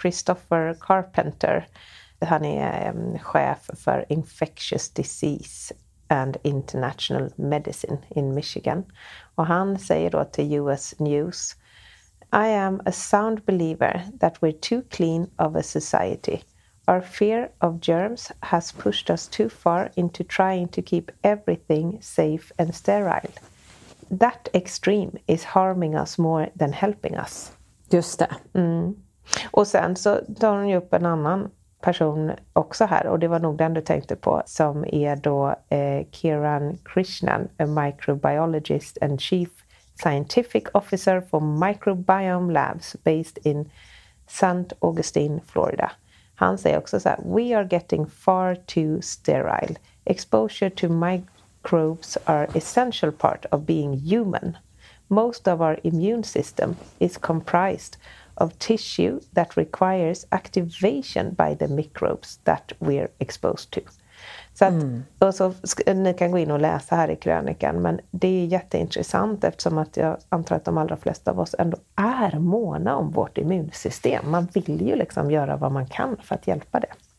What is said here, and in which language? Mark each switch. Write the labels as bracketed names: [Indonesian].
[Swedish] Christopher Carpenter, han är chef för Infectious Disease and International Medicine in Michigan, och han säger då till US News: [English] I am a sound believer that we're too clean of a society. Our fear of germs has pushed us too far into trying to keep everything safe and sterile. That extreme is harming us more than helping us. [Swedish] Just det. Mm. Och sen så tar hon ju upp en annan person också här. Och det var nog den du tänkte på. Som är då Kiran Krishnan, [English] a microbiologist and chief scientific officer for Microbiome Labs based in St. Augustine, Florida. [Swedish] Han säger också så här: [English] we are getting far too sterile. Exposure to microbes are essential part of being human. Most of our immune system is comprised of tissue that requires activation by the microbes that we're exposed to. [Swedish] Så att, och så ni kan gå in och läsa här i krönikan, men det är jätteintressant eftersom att jag antar att de allra flesta av oss ändå är måna om vårt immunsystem. Man vill ju liksom göra vad man kan för att hjälpa det.